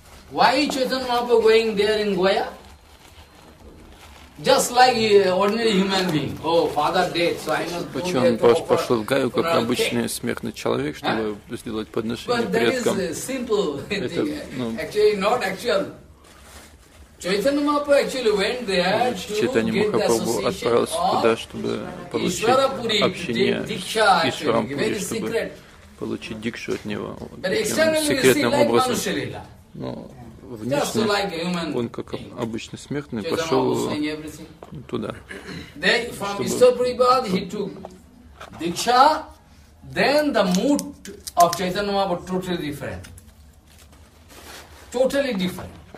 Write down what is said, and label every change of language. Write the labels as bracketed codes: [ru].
[en] Why Chaitanya Mahaprabhu going there in Gaya? Just like ordinary human being. Oh, father dead, so I must. [ru] Почему он просто пошел в Гаю как обычный смертный человек, чтобы сделать подношение предкам? [en] But that is simple. Actually, not actual. Chaitanya Mahaprabhu actually went there to Chaitanya get Mahaprabhu the association [ru] туда, чтобы получить общение с Ишварам Пури, чтобы получить дикшу от него секретным образом. Но внешне он как обычно смертный пошел туда. [en] From Ишварапури Бад he took диксха, then the mood of Chaitanya Mahaprabhu totally different.